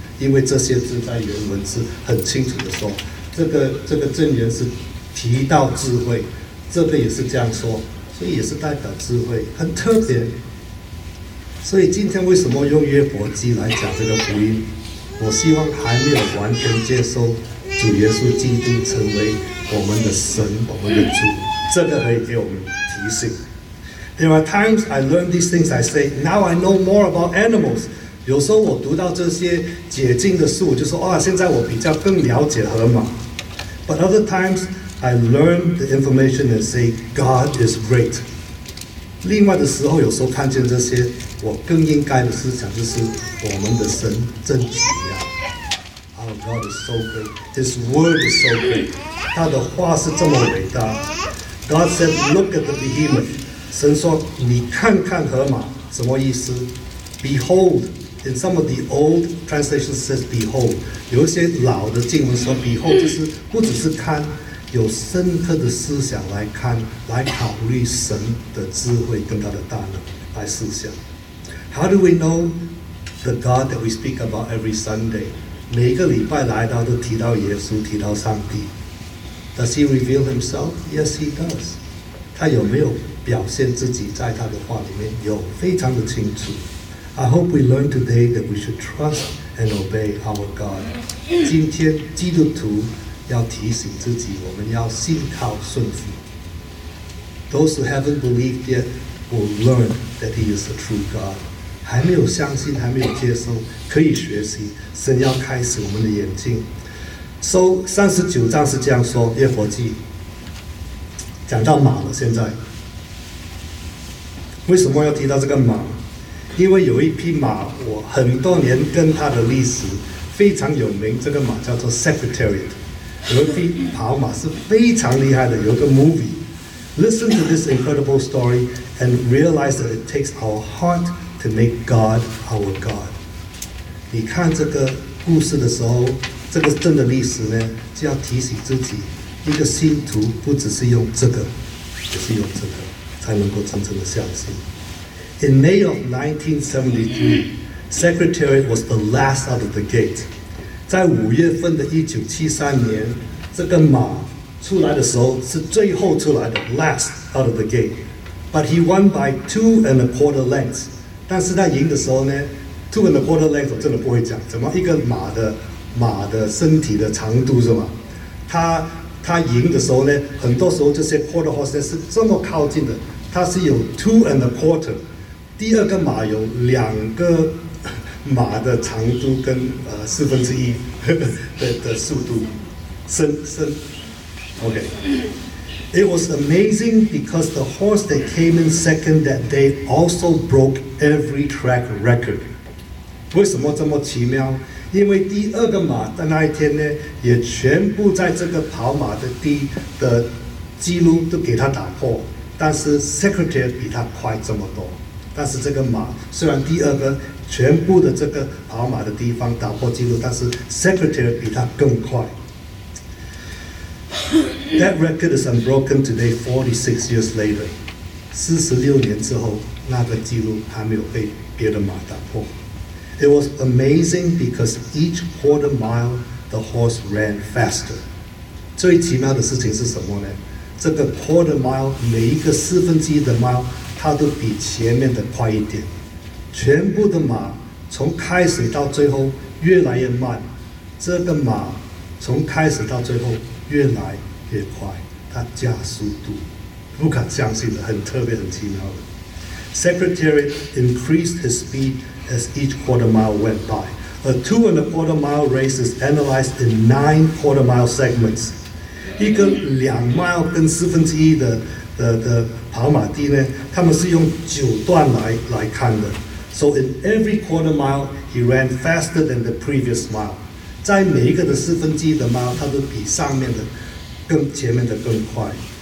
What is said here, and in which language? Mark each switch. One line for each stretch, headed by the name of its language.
Chinese: 因为这些字在原文是很清楚的说，这个证人是提到智慧，这个也是这样说，所以也是代表智慧，很特别。所以今天为什么用约伯记来讲这个福音？我希望还没有完全接受主耶稣基督成为我们的神，我们的主，这个可以给我们提醒。
English: There are times I learn these things, I say, now I know more about animals.
Chinese: 有时候我读到这些解经的书，我就说，现在我比较更了解河马。
English: But other times I learn the information and say, God is great.
Chinese: 另外的时候，有时候看见这些，我更应该的思想就是我们的神真奇妙。
English: Our God is so great. His word is so great.
Chinese: 他的话是这么伟大。
English: God said, look at the behemoth.
Chinese: 神说你看看河马，什么意思？
English: Behold, in some of the old translations says behold.
Chinese: 有一些老的经文说 behold 就是不只是看，有深刻的思想来看，来考虑神的智慧跟他的大能来思想。
English: How do we know the God that we speak about every Sunday?
Chinese: 每个礼拜来到都提到耶稣，提到上帝。
English: Does he reveal himself? Yes, he does.
Chinese: 他有没有表现自己在他的话里面有非常的清楚。
English: I hope we learn today that we should trust and obey our God.
Chinese: 今天基督徒要提醒自己，我们要信靠顺服。
English: Those who haven't believed yet will learn that He is the true God.
Chinese: 还没有相信，还没有接受，可以学习。神要开启我们的眼睛。 So 39章是这样说，约伯记讲到马了。现在为什么要提到这个马？因为有一匹马，我很多年跟它的历史非常有名。这个马叫做 Secretariat， 有一匹跑马是非常厉害的，有个 movie。
English: Listen to this incredible story and realize that it takes our heart to make God our God.
Chinese: 你看这个故事的时候，这个真的历史呢，就要提醒自己，一个信徒不只是用这个，也是用这个，才能够真正的相信。 In May of 1973, Secretariat was the last out of the gate. 在五月份的1973年，这个马出来的时候是最后出来的 ，
English: last out of the gate. But he won by 2.25 lengths.
Chinese: 但是他赢的时候呢 ，2.25 lengths 我真的不会讲，怎么一个马的身体的长度是吗？他赢的时候呢，很多时候这些 quarter horse 是这么靠近的，他是有 2.25。第二个马有两个马的长度跟四分之一的速度，升。
English: Okay. It was amazing because the horse that came in second that day also broke every track record.
Chinese: 为什么这么奇妙？因为第二个马的那一天呢，也全部在这个跑马的的记录都给他打破，但是 Secretary 比他快这么多。但是这个马虽然第二个全部的这个跑马的地方打破记录，但是 Secretary 比他更快。
English: That record is unbroken today, 46 years later.
Chinese: 46年之后，那个记录还没有被别的马打破。
English: It was amazing because each quarter mile, the horse ran faster.
Chinese: 最奇妙的事情是什么呢？这个 quarter mile, 每一个四分之一的 mile, 它都比前面的快一点。全部的马从开始到最后越来越慢。这个马从开始到最后越来越快，它加速度，不敢相信的，很特别，很奇妙的。
English: Secretary increased his speed as each quarter mile went by. A 2.25 mile race is analyzed in 9 quarter mile segments.
Chinese: 一个两 mile 跟四分之一的跑马地呢，他们是用九段来看的。
English: So in every quarter mile, he ran faster than the previous mile.
Chinese: 在每一个的四分之一的 mile， 它都比上面的更前面的更快。